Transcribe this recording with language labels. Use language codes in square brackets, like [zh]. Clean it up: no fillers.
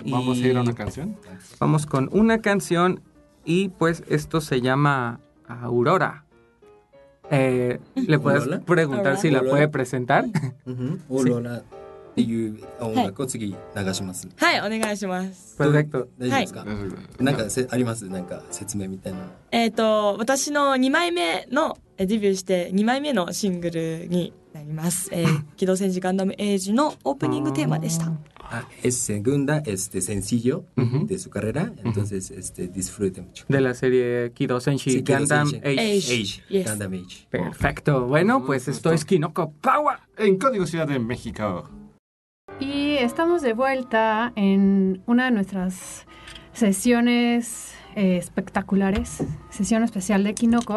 [es] Y vamos a ir a una canción. Vamos con una canción, y pues esto se llama Aurora. ¿Le puedes Aurora? Preguntar Aurora. Si Aurora. La puede presentar. Uh-huh. Aurora. Sí. [ja] っていう音楽を次流します。はい、はい、お願いします。プロジェクト大丈夫ですか？はい、なんかあります、なんか説明みたいな。私の2枚目のデビューして2枚目のシングルになります。機動戦士ガンダムエイジのオープニングテーマでした。 [es] Es segunda sencillo de su carrera, entonces disfrute mucho. De la serie Kidosenshi Gundam Age. Gundam Age. Perfecto. Bueno, pues esto es Kinoko Power en Código Ciudad de México. Y estamos de vuelta en una de nuestras sesiones espectaculares, sesión especial de Kinoko.